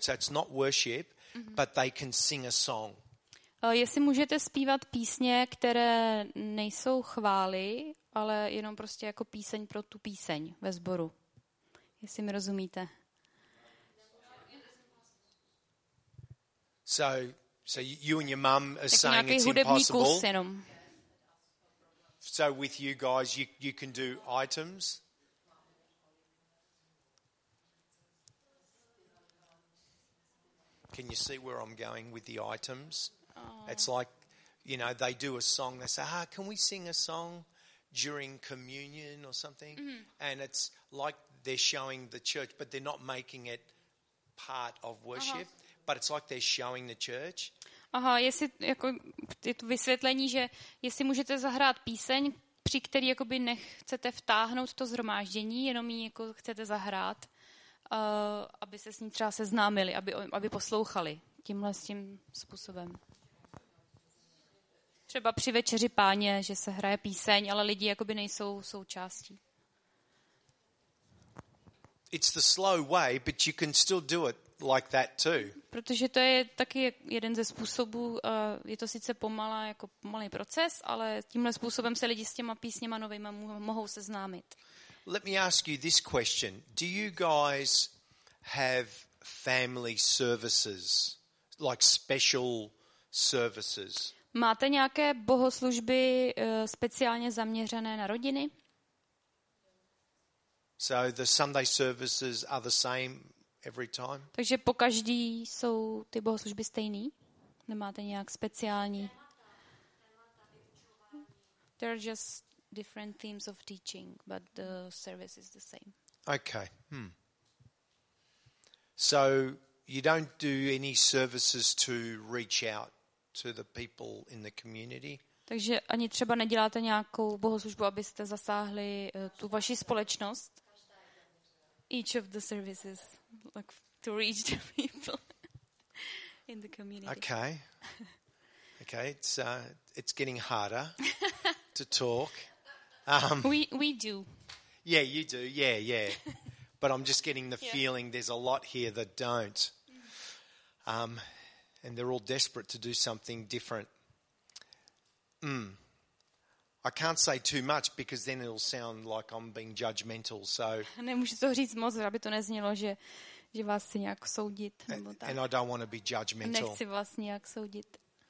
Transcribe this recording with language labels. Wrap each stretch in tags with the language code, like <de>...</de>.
<en>That's not worship, but they can sing a song.</en> <cs>Jestli můžete zpívat písně, které nejsou chvály, ale jenom prostě jako píseň pro tu píseň ve sboru. Jestli mi rozumíte.</cs> <en>So you and your mum are saying it's impossible.</en> <cs>Tak nějaký hudební kus jenom.</cs> <en>So with you guys, you can do items. Can you see where I'm going with the items? Oh. It's like, you know, they do a song. They say, can we sing a song during communion or something? Mm-hmm. And it's like they're showing the church, but they're not making it part of worship. Aha. But it's like they're showing the church.</en> <cs>Aha, jestli, jako, je to vysvětlení, že jestli můžete zahrát píseň, při který jakoby nechcete vtáhnout to zhromáždění, jenom ji jako chcete zahrát, aby se s ní třeba seznámili, aby poslouchali tímhle s tím způsobem. Třeba při večeři páně, že se hraje píseň, ale lidi jakoby nejsou součástí.</cs> <en>It's the slow way, but you can still do it like that too.</en> <cs>Protože to je taky jeden ze způsobů, je to sice pomalá, jako pomalý proces, ale tímhle způsobem se lidi s těma písněma novýma mohou seznámit.</cs> <en>Let me ask you this question. Do you guys have family services, like special services?</en> <cs>Máte nějaké bohoslužby speciálně zaměřené na rodiny?</cs> <en>So the Sunday services are the same every time?</en> <cs>Takže po každý jsou ty bohoslužby stejný? Nemáte nějak speciální?</cs> <en>They're just different themes of teaching, but the service is the same. Okay. So you don't do any services to reach out to the people in the community?</en> <cs>Takže ani třeba neděláte nějakou bohoslužbu, abyste zasáhli tu vaši společnost?</cs> <en>Each of the services, like to reach the people in the community. Okay. Okay. It's getting harder to talk. We do. Yeah, you do. Yeah, yeah. But I'm just getting the feeling there's a lot here that don't. And they're all desperate to do something different. I can't say too much because then it'll sound like I'm being judgmental. So</en> <cs>nemůžu to říct moc, aby to neznělo, že vás chci nějak soudit nebo tak.</cs> <en>And I don't want to be judgmental.</en> <cs>Nechci vás nějak soudit.</cs>